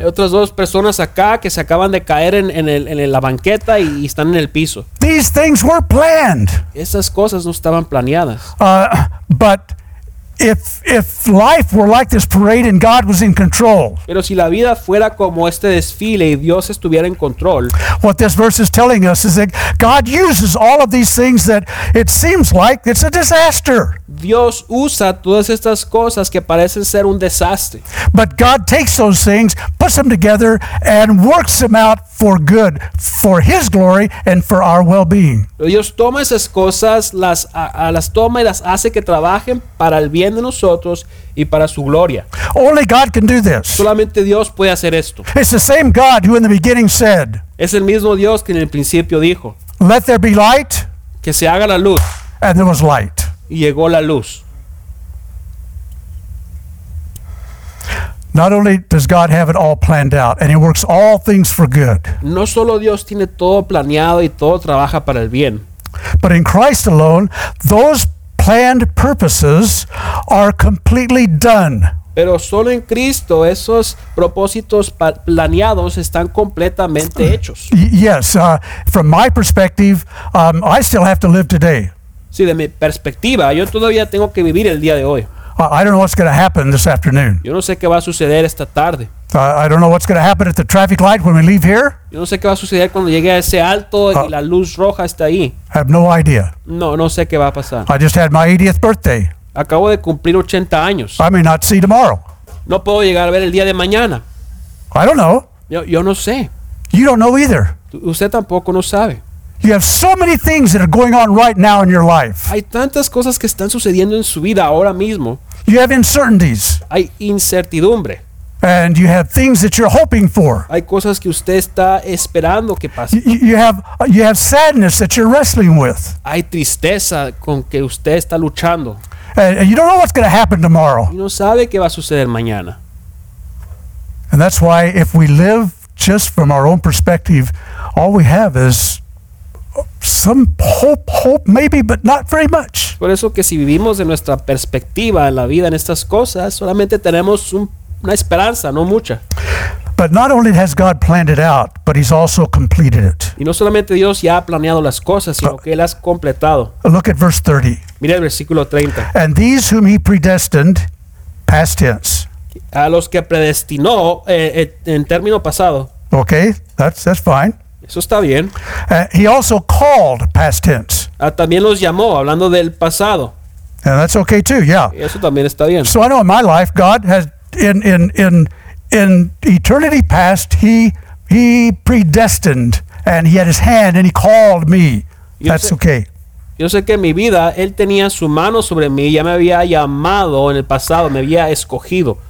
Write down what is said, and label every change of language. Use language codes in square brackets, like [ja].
[es] Y otras dos personas acá que se acaban de caer en la banqueta y están en el piso. [en] These things were planned. [es] Esas cosas no estaban planeadas. [en] But if life were like this parade and God was in control. [es] Pero si la vida fuera como este desfile y Dios estuviera en control. [en] What this verse is telling us is that God uses all of these things that it seems like it's a disaster. [es] Dios usa todas estas cosas que parecen ser un desastre. [en] But God takes those things, puts them together and works them out for good, for his glory and for our well-being. [es] Dios toma esas cosas, las toma y las hace que trabajen para el bien de nosotros y para su gloria. [en] Only God can do this. [es] Solamente Dios puede hacer esto. [en] It's the same God who in the beginning said. [es] Es el mismo Dios que en el principio dijo. [en] Let there be light. [es] Que se haga la luz. [en] And there was light. [es] Y llegó la luz. [en] Not only does God have it all planned out and he works all things for good. [es] No solo Dios tiene todo planeado y todo trabaja para el bien. [en] But in Christ alone, those planned purposes are completely done. [es] Pero solo en Cristo esos propósitos planeados están completamente hechos. [en] Yes, from my perspective, I still have to live today. [es] Sí, de mi perspectiva, yo todavía tengo que vivir el día de hoy. [en] I don't know what's going to happen this afternoon. [es] Yo no sé qué va a suceder esta tarde. [en] I don't know what's going to happen at the traffic light when we leave here. [es] Yo no sé qué va a suceder cuando llegue a ese alto y la luz roja está ahí. [en] I have no idea. [es] No sé qué va a pasar. [en] I just had my 80th birthday. [es] Acabo de cumplir 80 años. [en] I may not see tomorrow. [es] no puedo llegar a ver el día de mañana. [en] I don't know. [es] Yo no sé. [en] You don't know either. [es] Usted tampoco no sabe. [en] You have so many things that are going on right now in your life. [es] Hay tantas cosas que están sucediendo en su vida ahora mismo. [en] You have uncertainties. [es] Hay incertidumbre. [en] And you have things that you're hoping for. [es] Hay cosas que usted está esperando que pase. [en] You have sadness that you're wrestling with. [es] Hay tristeza con que usted está luchando. [en] And you don't know what's going to happen tomorrow. [es] Y no sabe qué va a suceder mañana. [en] And that's why if we live just from our own perspective, all we have is some hope maybe, but not very much. [es] Por eso que si vivimos de nuestra perspectiva en la vida, en estas cosas, solamente tenemos una esperanza, no mucha. [en] But not only has God planned it out, but he's also completed it. [es] Y no solamente Dios ya ha planeado las cosas, sino que él las ha completado. [en] Look at verse 30. [es] Mira el versículo 30. [en] And these whom he predestined, past tense. [es] A los que predestinó en término pasado. [en] Okay, that's fine. [es] Eso está bien. [en] He also called, past tense. [es] También los llamó, hablando del pasado. [en] And that's okay too, yeah. [es] Y eso también está bien. [en] So I know in my life, God has in eternity past, he predestined, and he had his hand, and he called me. That's okay. [es] Yo sé que en mi vida, él tenía su mano sobre mí, ya me había llamado en el pasado, me había escogido.